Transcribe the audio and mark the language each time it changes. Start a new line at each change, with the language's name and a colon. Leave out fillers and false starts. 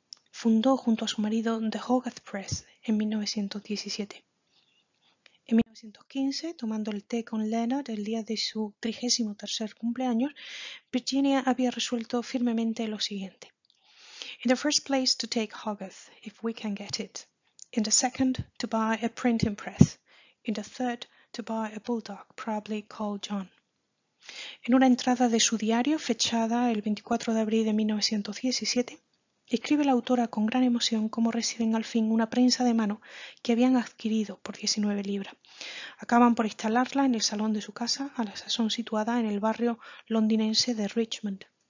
Spanish: Fundó junto a su marido The Hogarth Press en 1917. En 1915, tomando el té con Leonard el día de su 33º cumpleaños, Virginia había resuelto firmemente lo siguiente:
English: In the first place, to take Hogarth, if we can get it. In the second, to buy a printing press. In the third, to buy a bulldog, probably called John.
Spanish: En una entrada de su diario, fechada el 24 de abril de 1917, Escribe la autora con gran emoción cómo reciben al fin una prensa de mano que habían adquirido por 19 libras. Acaban por instalarla en el salón de su casa, a la sazón situada en el barrio londinense de Richmond.